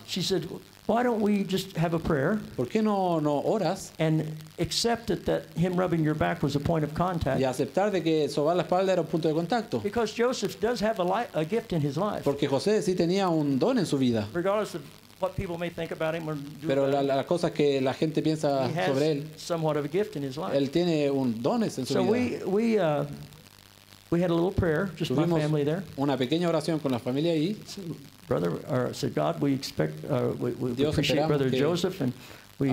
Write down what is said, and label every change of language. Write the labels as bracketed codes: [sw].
[en] She said, why don't we just have a prayer? [es] ¿Por qué no oras? [en] And accept that him rubbing your back was a point of contact. [es] Y aceptar de que sobar la espalda era un punto de contacto. [en] Because Joseph does have a gift in his life. [es] Porque José sí tenía un don en su vida. [en] Regardless of what people may think about him or do. [es] Pero las cosas que la gente piensa sobre él. [en] He has somewhat of a gift in his life. [es] Él tiene un don en su vida. [en] So we had a little prayer, just [es] tuvimos [en] my family there. [es] Una pequeña oración con la familia ahí. [en] Brother, said God, we expect, we appreciate Brother Joseph, and we